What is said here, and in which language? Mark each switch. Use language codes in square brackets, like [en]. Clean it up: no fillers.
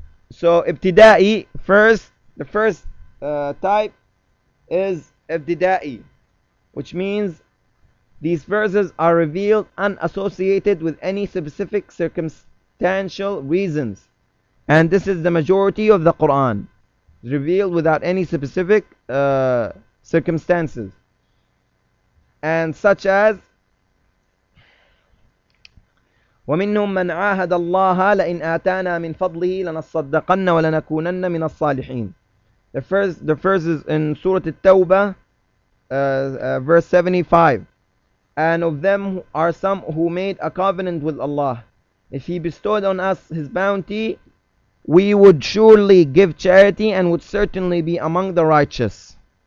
[en] So ibtida'i, first, the first type is ibtida'i, which means these verses are revealed unassociated with any specific circumstantial reasons, and this is the majority of the Quran, revealed without any specific circumstances. And such as [ar] وَمِنْهُمْ مَنْ عَاهَدَ اللَّهَ لَإِنْ آتَانَا مِنْ فَضْلِهِ لَنَصَّدَّقَنَّ وَلَنَكُونَنَّ مِنَ الصَّالِحِينَ. [en] The verse is in Surah At-Tawbah, verse 75. And of them are some who made a covenant with Allah. If He bestowed on us His bounty, we would surely give charity and would certainly be among the righteous.